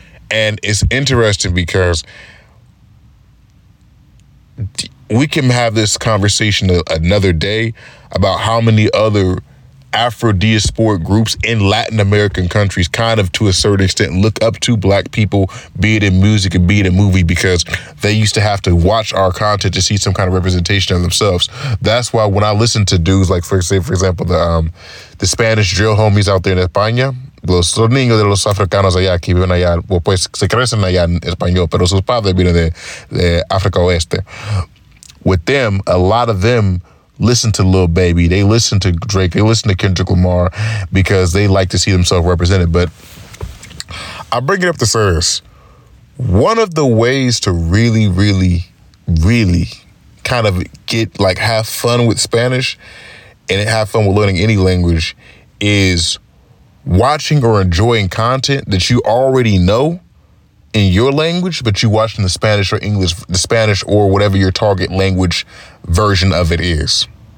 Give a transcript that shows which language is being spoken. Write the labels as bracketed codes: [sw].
[en] And it's interesting because we can have this conversation another day about how many other Afro-diasporic groups in Latin American countries kind of, to a certain extent, look up to black people, be it in music and be it in movie, because they used to have to watch our content to see some kind of representation of themselves. That's why when I listen to dudes like, for example, the Spanish drill homies out there [es] in España, los niños de los africanos allá que viven allá, [en] well, [es] pues se crecen allá en español, pero sus padres vienen de África Oeste. [en] With them, a lot of them listen to Lil Baby, they listen to Drake, they listen to Kendrick Lamar because they like to see themselves represented. But I bring it up to service. One of the ways to really, really, really kind of get, like, have fun with Spanish and have fun with learning any language is watching or enjoying content that you already know in your language, but you watch in the Spanish or English, the Spanish or whatever your target language version of it is.